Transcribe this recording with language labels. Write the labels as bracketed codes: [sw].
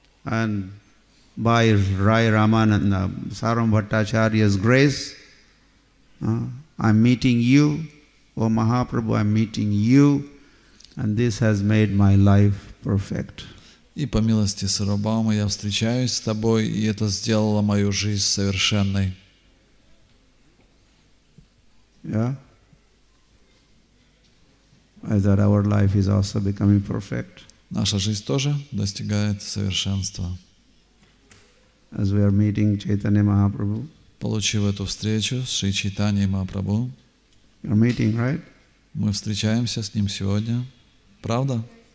[en] And by Rai Ramananda, Сарвабхаум Бхаттачарья's grace, I'm meeting you, O Mahaprabhu, I'm meeting you, and this has made my life perfect. [ru] И по милости Сарвабхаума я встречаюсь с тобой, и это сделало мою жизнь совершенной. [en] Yeah. I thought our life is also becoming perfect. [ru] Наша жизнь тоже достигает совершенства. [en] As we are meeting Chaitanya Mahaprabhu. [ru] Получив эту встречу с Шри Чайтаньей Махапрабху. [en] We are meeting, right? [ru] Мы встречаемся с ним сегодня. Правда?